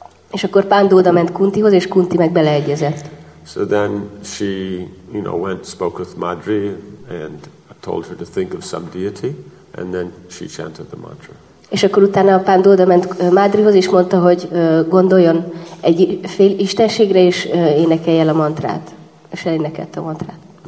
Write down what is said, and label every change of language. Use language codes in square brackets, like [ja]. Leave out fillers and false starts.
[hu] És akkor Pandu oda ment Kuntihoz, és Kunti meg beleegyezett. [en] So then she, you know, went spoke with Madri and told her to think of some deity. And then she chanted the mantra. [hu] És akkor utána a Pandu oda ment Madrihoz, és mondta, hogy gondoljon egy fél istenségre, és énekelj el a mantrát. És elénekelte a mantrát.